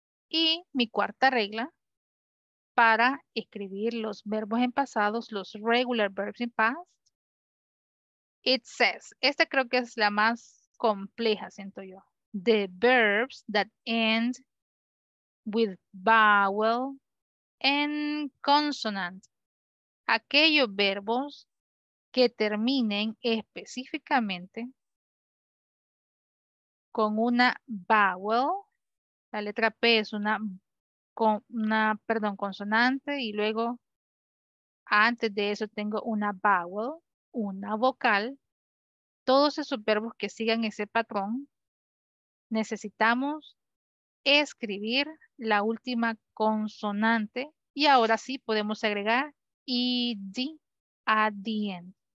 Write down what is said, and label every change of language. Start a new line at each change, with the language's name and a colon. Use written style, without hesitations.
Spanish: Y mi cuarta regla para escribir los verbos en pasados, los
English: regular verbs in past, it says,
Spanish: esta creo que es la más compleja, siento yo.
English: The verbs that end with vowel and consonant.
Spanish: Aquellos verbos que terminen específicamente con una vowel, la letra P es una consonante y luego antes de eso tengo una vowel, una vocal, todos esos verbos que sigan ese patrón, necesitamos escribir la última consonante y ahora sí podemos agregar ed
English: at the end.